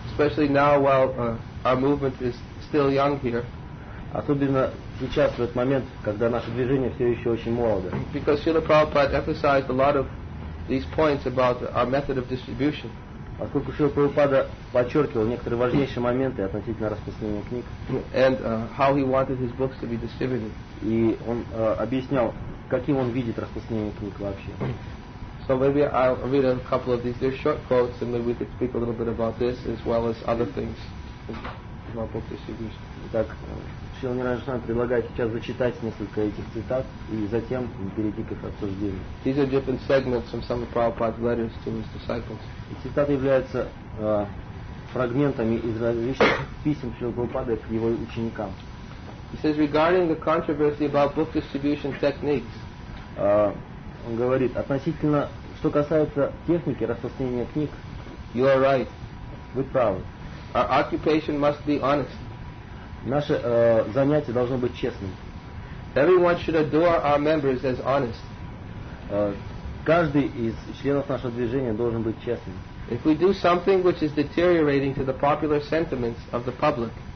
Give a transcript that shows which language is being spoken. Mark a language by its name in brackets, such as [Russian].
[English] Especially now while our movement is still young here. [Russian] Особенно сейчас, в этот момент, когда наше движение все еще очень молодо. [English] Because Srila Prabhupada emphasized a lot of these points about our method of distribution. [Russian] Поскольку Шрила Прабхупада подчеркивал некоторые важнейшие моменты относительно распространения книг. [English] And how he wanted his books to be distributed. [Russian] И он объяснял, каким он видит распространение книг вообще. [English] So maybe I'll read a couple of these. They're short quotes, and maybe we could speak a little bit about this as well as other things about book distribution. [Russian] Итак, Шрила Нираджан предлагает сейчас зачитать несколько этих цитат и затем перейти к их обсуждению. [English] These are different segments from some of Prabhupada's letters to his disciples. [Russian] Цитаты являются фрагментами из различных писем Шрилы Прабхупады к его ученикам. [English] He says, regarding the controversy about book distribution techniques, [Russian] он говорит, относительно, что касается техники распространения книг, [English] you are right. [Russian] Вы правы. [English] Our occupation must be honest. [Russian] Наше занятие должно быть честным. [English] Everyone should adore our members as honest. [Russian] Каждый из членов нашего движения должен быть честным. [English] If we do something which is deteriorating to the popular sentiments of the public,